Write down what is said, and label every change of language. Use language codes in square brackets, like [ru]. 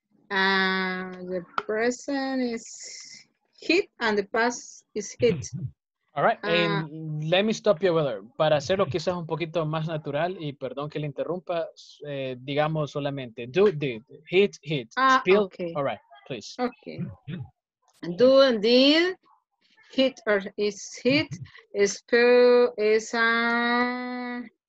[en] The present is hit and the past is hit. All right. And let me stop you there. [es] Para hacerlo quizás un poquito más natural y perdón que le interrumpa, digamos solamente do, did, hit, hit, spill. [en] Okay. All right, please. Okay. Do and did, hit or is hit, spill is a...